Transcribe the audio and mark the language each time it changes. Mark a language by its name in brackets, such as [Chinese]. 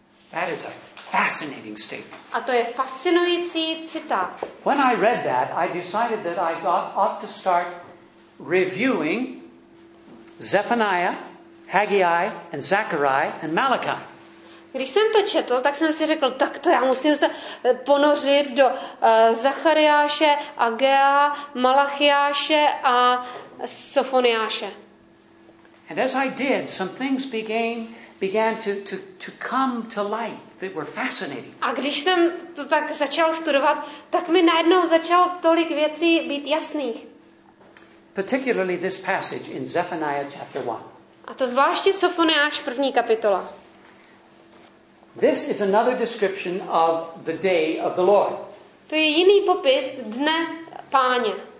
[English] That is a fascinating statement. [Czech] A to je fascinující citát. [English] When I read that, I decided that I ought to start reviewing Zephaniah, Haggai, and Zechariah, and Malachi. [Czech] Když jsem to četl, tak jsem si řekl, tak to já musím se ponořit do Zachariáše, Agea, Malachiáše a Sofoniáše. [English] And as I did, some things began to come to light that were fascinating. [Czech] A když jsem to tak začal studovat, tak mi najednou začalo tolik věcí být jasných. [English] Particularly this passage in Zephaniah chapter 1. [Czech] A to zvláště Sofoniáš první kapitola. [English] This is another description of the day of the Lord. [Czech] To je jiný popis dne Páně.